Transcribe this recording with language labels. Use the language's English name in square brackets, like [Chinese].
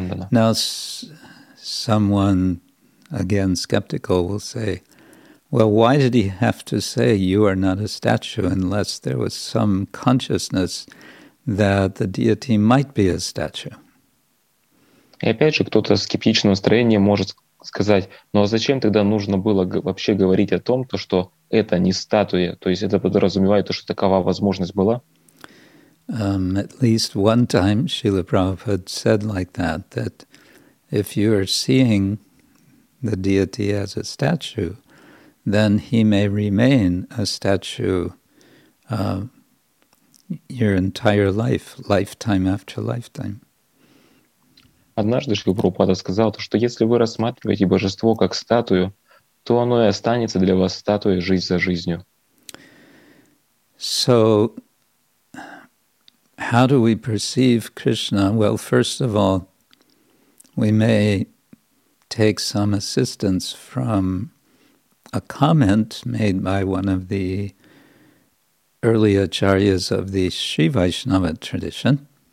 [English] Now, someone, again skeptical, will say, well, why did he have to say you are not a statue unless there was some consciousness that the deity might be a statue? [Russian] И опять же, кто-то с скептичным настроением может сказать, ну а зачем тогда нужно было вообще говорить о том, то, что это не статуя, то есть это подразумевает то, что такова возможность была? [English] At least one time Srila Prabhupada said like that, that if you are seeing the deity as a statue, then he may remain a statue your entire life, lifetime after lifetime. [Russian] Однажды Шрила Прабхупада сказал, что если вы рассматриваете божество как статую, то оно и останется для вас статуей жизнь за жизнью. [English] So, how do we perceive Krishna? Well, first of all, we may take some assistance from a comment made by one of the early acharyas of the Sri Vaishnava tradition.